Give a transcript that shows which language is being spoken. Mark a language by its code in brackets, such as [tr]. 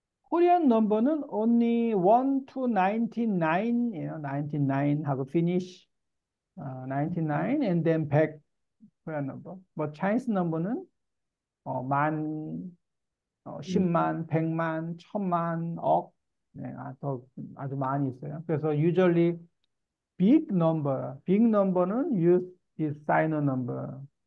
[en] Korean number는 only 1 to 99, 99하고 finish. 99 and then 100 Korean number. But Chinese number [ko] 는 만, 10만, 100만, 1000만, 억. 네, 아주 많이 있어요. [en] 그래서 usually big number는 use this signer number.